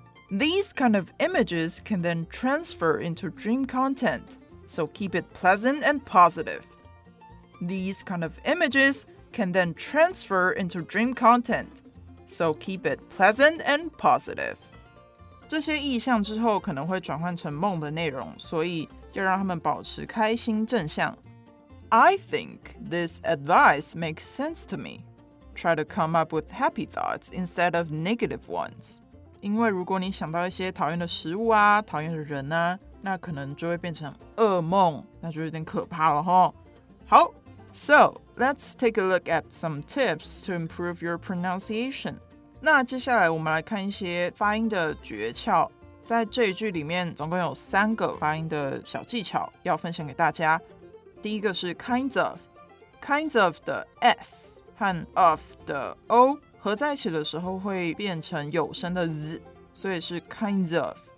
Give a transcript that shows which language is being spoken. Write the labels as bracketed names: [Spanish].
[English] These kind of images can then transfer into dream content, so keep it pleasant and positive. These kind of images can then transfer into dream content, so keep it pleasant and positive. [Chinese] 这些意象之后可能会转换成梦的内容，所以要让他们保持开心正向。 [English] I think this advice makes sense to me. Try to come up with happy thoughts instead of negative ones. [Chinese] 因为如果你想到一些讨厌的食物啊，讨厌的人啊，那可能就会变成噩梦，那就有点可怕了齁。 [English] 好，So, let's take a look at some tips to improve your pronunciation. [Chinese] 那接下来我们来看一些发音的诀窍。在这一句里面总共有三个发音的小技巧要分享给大家。第一个是 kinds of 的 S 和 of 的 O 合在一起的时候会变成有声的 Z， 所以是 kinds of。